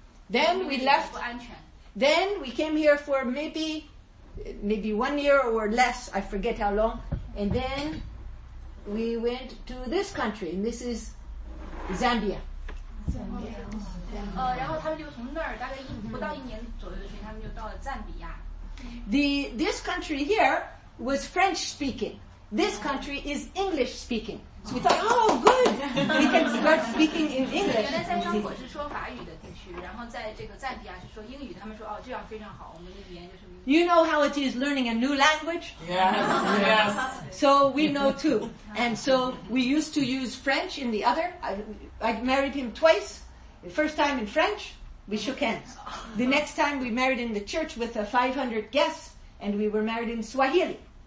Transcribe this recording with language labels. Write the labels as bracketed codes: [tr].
[en] Then we left. Then we came here for maybe 1 year or less, I forget how long. And then we went to this country, and this is Zambia. [zh] 然后他们就从那儿大概不到一年左右的时间，他们就到了赞比亚。 [en] This country here was French speaking. This country is English speaking. So we thought, oh, good, we can start speaking in English. [zh] 原来在刚果是说法语的地区，然后在这个赞比亚是说英语。他们说，哦，这样非常好，我们的语言就是。 [en] You know how it is learning a new language? Yes. So we know too, and so we used to use French in the other. I married him twice. The first time in French, we shook hands. The next time we married in the church with 500 guests, and we were married in Swahili.